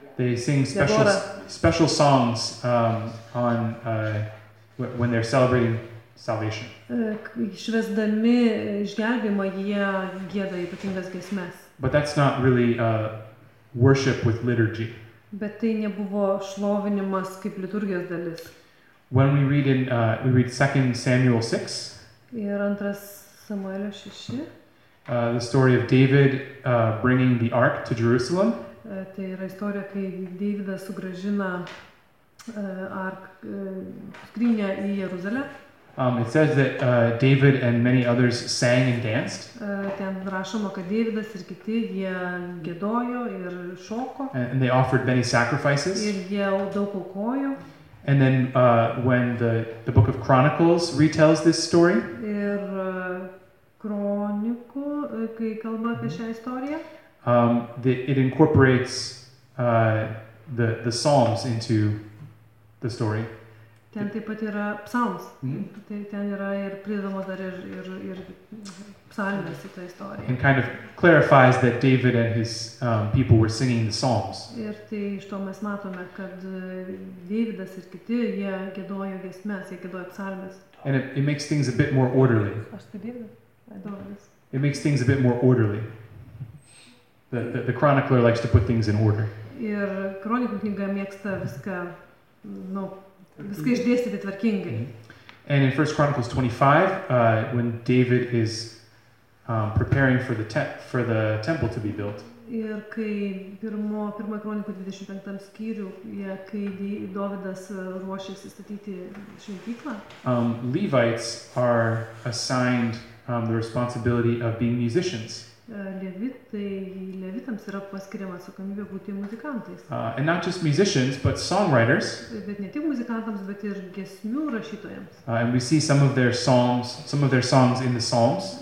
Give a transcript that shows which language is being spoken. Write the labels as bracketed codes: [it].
[en] They sing special songs on when they're celebrating salvation. [lt] Švesdami išgelbėjimą, jie gieda ypatingas giesmes. [en] But that's not really worship with liturgy. [lt] Bet tai nebuvo šlovinimas kaip liturgijos dalis. [en] When we read in we read 2 Samuel 6. [lt] Ir antras Samuelio 6. [en] The story of David bringing the ark to Jerusalem. [lt] Tai yra istorija, kai Davidas sugrąžina ark skrynią į Jeruzalę. [en] It says that David and many others sang and danced. [lt] Ten rašoma, kad Davidas ir kiti, jie gėdojo ir šoko. [en] And they offered many sacrifices. [lt] Ir jie daug aukojo. [en] And then when the book of Chronicles retells this story. [lt] Ir kronikų, kai kalba apie šią istoriją. [en] It incorporates the Psalms into the story. [lt] Ten taip pat yra psalms. Ten yra ir pridomos dar ir psalmės į tą istoriją. [en] And kind of clarifies that David and his people were singing the psalms. [lt] Ir tai iš to mes matome, kad Davidas ir kiti, jie giedojo giesmes, jie giedojo psalmes. [en] And it makes things a bit more orderly. [lt] Aš tai dėl, adomas. [en] It makes things a bit more orderly. The chronicler likes to put things in order. [lt] Ir kronikų knyga mėgsta viską, nu, viską išdėstyti tvarkingai. [en] And in 1 Chronicles 25, when David is preparing for the temple to be built. [lt] Ir kai pirmo kronikų 25 skyrių, kai Dovydas ruošiasi statyti šventyklą. [en] Levites are assigned the responsibility of being musicians. [lt] Levitams yra paskiriama atsakomybė būti muzikantais. [en] And not just musicians, but songwriters. [lt] Bet ne tik muzikantams, bet ir giesmių rašytojams. [en] And we see some of their songs in the Psalms.